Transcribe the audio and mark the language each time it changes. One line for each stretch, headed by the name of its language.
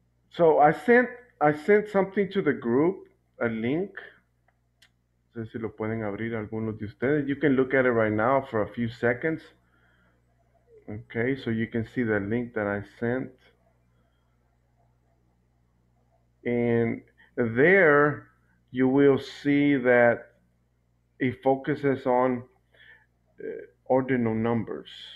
English: So I sent something to the group, a link.
Spanish: No sé si lo pueden abrir algunos de ustedes.
English: You can look at it right now for a few seconds. Okay, so you can see the link that I sent. And there you will see that it focuses on ordinal numbers.